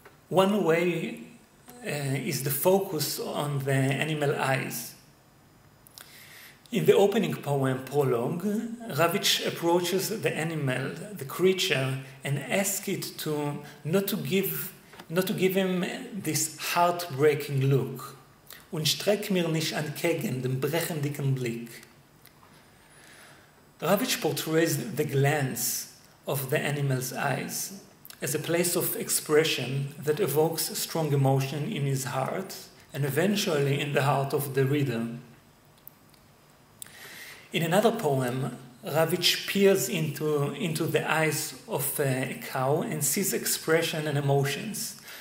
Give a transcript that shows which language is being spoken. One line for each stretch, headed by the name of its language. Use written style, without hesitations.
English: One way is the focus on the animal eyes. In the opening poem, Prologue, Ravitch approaches the animal, the creature, and asks it not to give him this heartbreaking look.
Yiddish: Und streck mir nicht entgegen den brechendicken Blick.
English: Ravitch portrays the glance of the animal's eyes as a place of expression that evokes strong emotion in his heart and eventually in the heart of the reader. In another poem, Ravitch peers into the eyes of a cow and sees expression and emotions.